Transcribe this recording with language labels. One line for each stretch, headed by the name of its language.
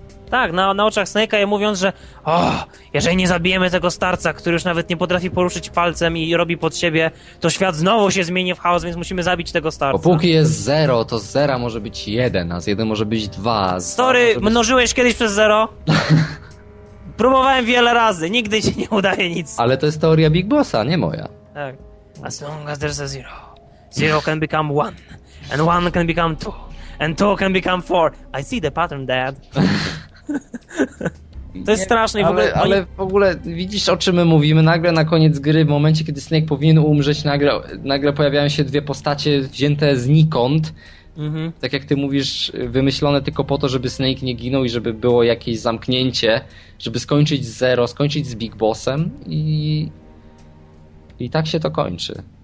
Polish: Tak, na oczach Snake'a je mówiąc, że jeżeli nie zabijemy tego starca, który już nawet nie potrafi poruszyć palcem i robi pod siebie, to świat znowu się zmieni w chaos, więc musimy zabić tego starca. Póki jest zero, to z zera może być jeden, a z jeden może być dwa. Story, mnożyłeś kiedyś przez zero? Próbowałem wiele razy, nigdy się nie udaje nic. Ale to jest teoria Big Bossa, nie moja. Tak.
English: As long as there's a zero, zero can become one, and one can become two, and two can become four. I see the pattern, Dad.
Polish: To jest straszne. Ale w ogóle widzisz, o czym my mówimy. Nagle na koniec gry, w momencie, kiedy Snake powinien umrzeć, nagle pojawiają się dwie postacie wzięte znikąd. Mhm. Tak jak ty mówisz, wymyślone tylko po to, żeby Snake nie ginął i żeby było jakieś zamknięcie, żeby skończyć z Zero, skończyć z Big Bossem i tak się to kończy.